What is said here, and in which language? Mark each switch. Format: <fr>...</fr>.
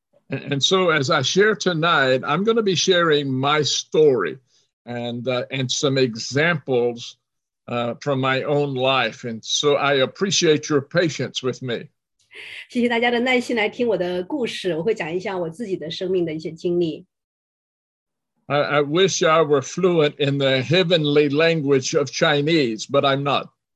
<en>And so as I share tonight, I'm going to be sharing my story and some examples from my own life. And so I appreciate your patience with me.</en> <zh>谢谢大家的耐心来听我的故事，我会讲一下我自己的生命的一些经历。I</zh> <en>wish I were fluent in the heavenly language of Chinese, but I'm not.</en>